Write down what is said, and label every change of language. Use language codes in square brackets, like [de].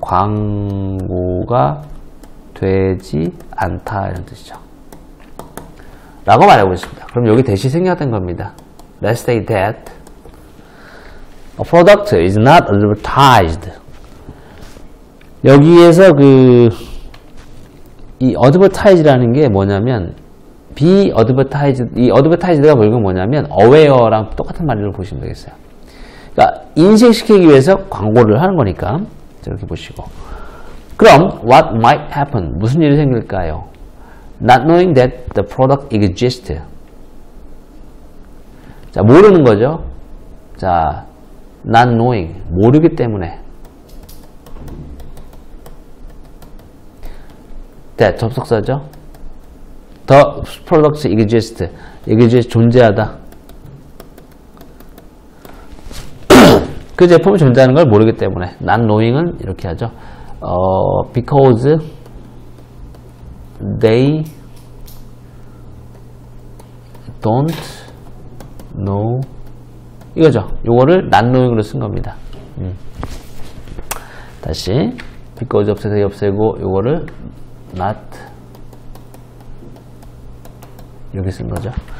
[ko] 광고가 되지 않다 이런 뜻이죠. 라고 말하고 있습니다. 그럼 여기 대시 생략된 겁니다. [en] Let's say that a product is not advertised. [ko] 여기에서 이 advertise라는 게 뭐냐면 [en] be advertised [ko] 이 advertised가 결국 뭐냐면 aware랑 똑같은 말로 보시면 되겠어요. 그러니까 인식시키기 위해서 광고를 하는 거니까 이렇게 보시고. 그럼 [en] what might happen? [ko] 무슨 일이 생길까요? [en] Not knowing that the product exists. [ko] 자, 모르는 거죠. 자, [en] not knowing. [ko] 모르기 때문에. [en] That [ko] 접속사죠. [en] The product exists. [ko] exist 존재하다. 그 제품이 존재하는 걸 모르기 때문에 [en] not knowing [ko] 은 이렇게 하죠. [en] Because they don't know [ko] 이거죠. 요거를 not knowing으로 쓴 겁니다. 다시 because 없애고 요거를 not 이렇게 쓴 거죠.